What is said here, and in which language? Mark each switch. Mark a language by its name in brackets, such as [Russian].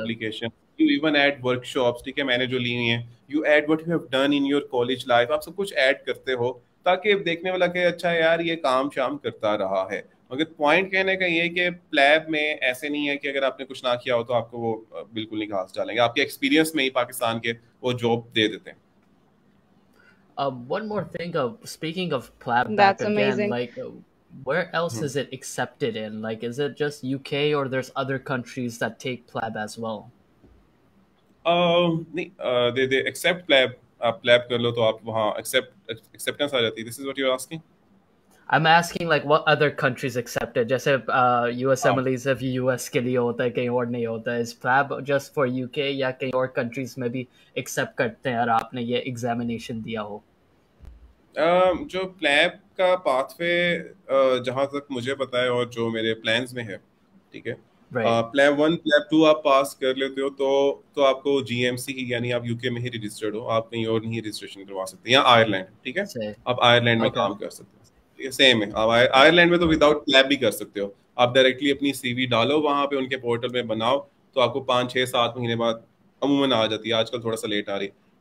[Hindi] Publication, [English] you even add workshops, [Hindi] ठीक है, मैंने जो ली हुई है, [English] you add what you have done in your college life, [Hindi] आप सब कुछ ऐड करते हो ताकि देखने वाला कहे अच्छा यार ये काम शाम करता रहा है। मगर पॉइंट कहने का ये है कि लैब में ऐसे नहीं है कि अगर आपने कुछ ना किया हो तो आपको वो बिल्कुल नहीं घास डालेंगे, आपके एक्सपीरियंस में ही पाकिस्तान के वो जॉब दे देते हैं। [English] One more thing of speaking of plab back That's again, amazing. like where else is it accepted in? Like, is it just UK or there's other countries that take plab as well? [Hindi] नहीं, [English] they accept PLAB, [Hindi] आप PLAB कर लो तो आप वहाँ acceptance आ जाती है। [English] This is what you are asking? I'm asking like what other countries accept it? [Hindi] जैसे US हाँ, MLEs of US के लिए होता है, कहीं और नहीं होता है. [English] Is plab just for UK [Hindi] या कहीं और countries में भी accept करते हैं, और आपने ये examination दिया हो? जो प्लेब का पाथवे, जहाँ तक मुझे पता है और जो मेरे प्लान्स में है, ठीक है, प्लेब 1, प्लेब 2 आप पास कर लेते हो तो आपको जीएमसी की, यानी आप यूके में ही रजिस्टर्ड हो, आप कहीं और नहीं रजिस्ट्रेशन करवा सकते, या आयरलैंड, ठीक है, आप आयरलैंड में काम कर सकते हो, ठीक है, सेम है, आप आयरलैंड में तो विदाउट प्लेब भी कर सकते हो, आप डायरेक्टली अपनी सीवी डालो वहां पे, उनके पोर्टल में बनाओ, तो आपको 5, 6, 7 महीने बाद अमूमन आ जाती है, आजकल थोड़ा सा लेट आ रही है।